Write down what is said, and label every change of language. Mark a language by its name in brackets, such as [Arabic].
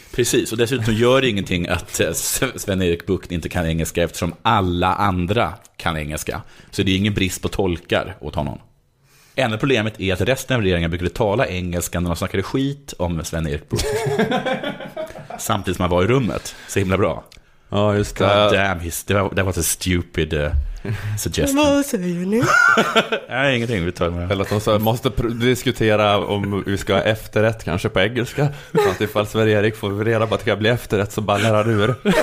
[Swedish] Precis, och dessutom gör det ingenting att Sven-Erik Bucht inte kan engelska, eftersom alla andra kan engelska. Så det är ingen brist på tolkar åt honom. Enda problemet är att resten av regeringen brukade tala engelska när de snackade skit om Sven-Erik Bucht. Samtidigt som han var i rummet. Så himla bra. Ja, just det. [English] God damn, that was a stupid suggestion. [Swedish] Vad säger ni? Nej, ingenting, vi tar med. Eller att de så måste diskutera om vi ska ha efterrätt, kanske på engelska. Så att ifall Sven-Erik får reda på att det kan bli efterrätt, så bara lärar du ur.